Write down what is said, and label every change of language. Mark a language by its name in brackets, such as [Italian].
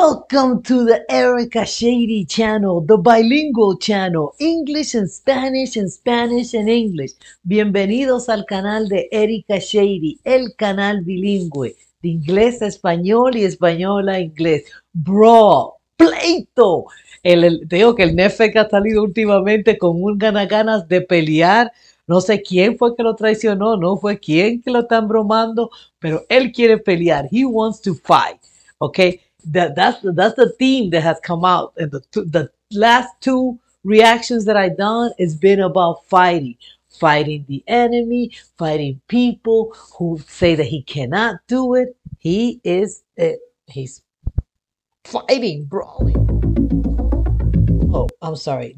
[English] Welcome to the Erica Shady Channel, the bilingual channel, English and Spanish and Spanish and English. [Spanish] Bienvenidos al canal de Erica Shady, el canal bilingüe, de inglés a español y español a inglés. Brawl, pleito. Te digo que el Neffex ha salido últimamente con unas ganas de pelear. No sé quién fue que lo traicionó, no fue quién que lo están bromando, pero él quiere pelear. [English] He wants to fight, okay? That's the theme that has come out, and the last two reactions that I've done has been about fighting the enemy, fighting people who say that he cannot do it. He's fighting, brawling. Oh, I'm sorry.